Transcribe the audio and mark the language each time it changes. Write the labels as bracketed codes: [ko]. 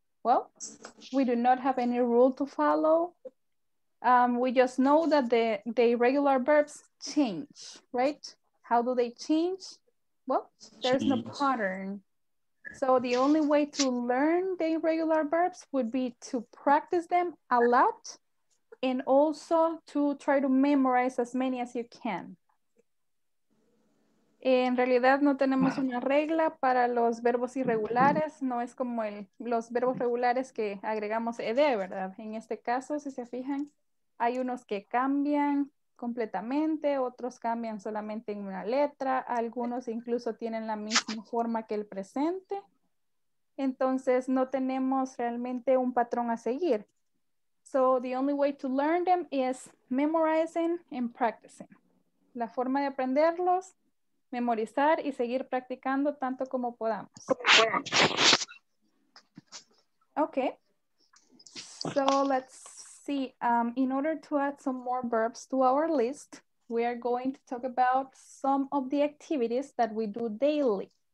[en] Well, we do not have any rule to follow. We just know that the irregular verbs change, right? How do they change? Well, there's no pattern. So the only way to learn the irregular verbs would be to practice them a lot and also to try to memorize as many as you can. [es] En realidad no tenemos una regla para los verbos irregulares, no es como los verbos regulares que agregamos ed, ¿verdad? En este caso, si se fijan, hay unos que cambian completamente, otros cambian solamente en una letra, algunos incluso tienen la misma forma que el presente. Entonces no tenemos realmente un patrón a seguir. [en] So the only way to learn them is memorizing and practicing. [es] La forma de aprenderlos, memorizar y seguir practicando tanto como podamos. [en] Okay. So let's see, in order to add some more verbs to our list, we are going to talk about some of the activities that we do daily.